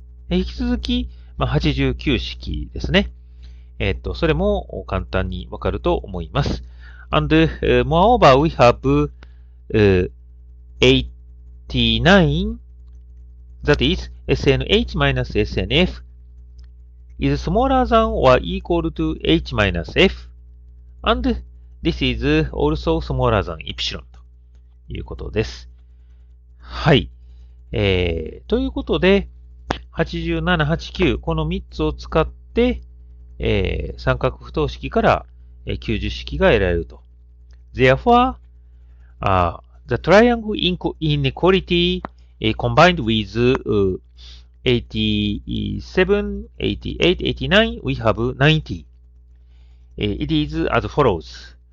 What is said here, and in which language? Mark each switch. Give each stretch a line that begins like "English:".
Japanese: 引き続き、まあ、89式ですね。それも簡単にわかると思います。
English: And, moreover, we have, 89, that is, SNH-SNF is smaller than or equal to H-F, and this is also smaller than Epsilon.
Japanese: ということです。はい。ということで、87、89、この3つを使って、三角不等式から、90式が得られると。
English: Therefore, the triangle inequality combined with 87, 88, 89, we have 90. It is as follows.